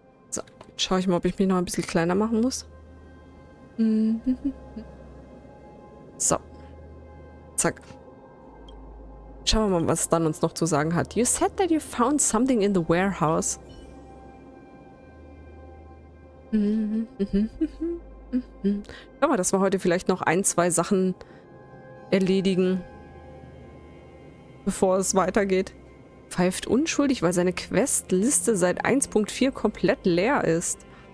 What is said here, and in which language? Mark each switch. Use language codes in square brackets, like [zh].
[de] So, schaue ich mal, ob ich mich noch ein bisschen kleiner machen muss. So. Zack. Schauen wir mal, was dann uns noch zu sagen hat. [en] You said that you found something in the warehouse. [de] Schauen wir, dass wir heute vielleicht noch ein, zwei Sachen erledigen. Bevor es weitergeht. Pfeift unschuldig, weil seine Questliste seit 1.4 komplett leer ist.